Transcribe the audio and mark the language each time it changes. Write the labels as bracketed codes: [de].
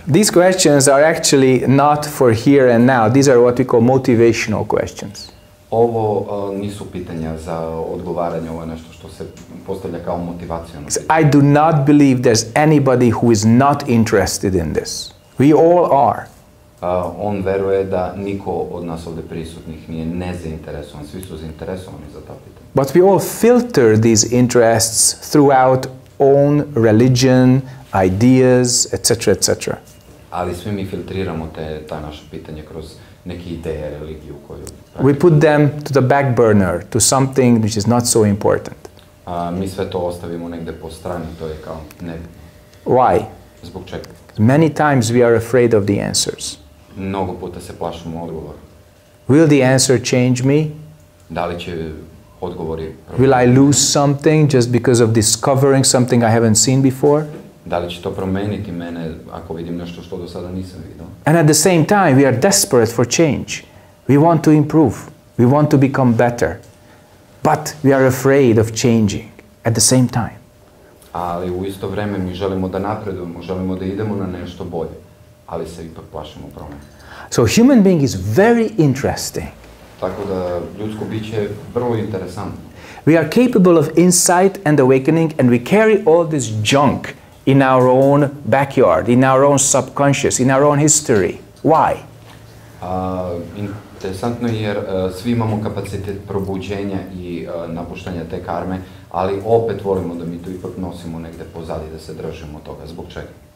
[en] These questions are actually not for here and now. These are what we call motivational questions. [sr] Ovo nisu pitanja za odgovaranje, ovo je nešto što se postavlja kao motivacijalno pitanje. [en] I do not believe there's anybody who is not interested in this. We all are. [sr] On veruje da niko od nas ovde prisutnih nije nezainteresovan, svi su zainteresovani za ta pitanja. [en] But we all filter these interests throughout own religion, ideas, etc., etc. [sr] Ali svi mi filtriramo ta naša pitanja kroz neke ideje, religiju koju... [en] We put them to the back burner, to something which is not so important. [sr] Mi sve to ostavimo negde po strani, to je kao ne... [en] Why? [sr] Zbog čega? [en] Many times we are afraid of the answers. [sr] Mnogo puta se plašimo odgovora. [en] Will the answer change me? [sr] Da li će odgovori... [en] Will I lose something just because of discovering something I haven't seen before? [sr] Da li će to promeniti mene ako vidim nešto što do sada nisam vidio? [en] And at the same time, we are desperate for change. We want to improve. We want to become better. But we are afraid of changing at the same time. [sr] Ali u isto vreme mi želimo da napredujemo, želimo da idemo na nešto bolje, ali se ipak plašimo promene. [en] So human being is very interesting. [sr] Tako da ljudsko biće je vrlo interesantno. [en] We are capable of insight and awakening and we carry all this junk in our own backyard, in our own subconscious, in our own history. Why? [sr] Interesantno je jer svi imamo kapacitet probuđenja i napuštanja te karme, ali opet volimo da mi to ipak nosimo negde pozadi, da se držimo toga. Zbog čega?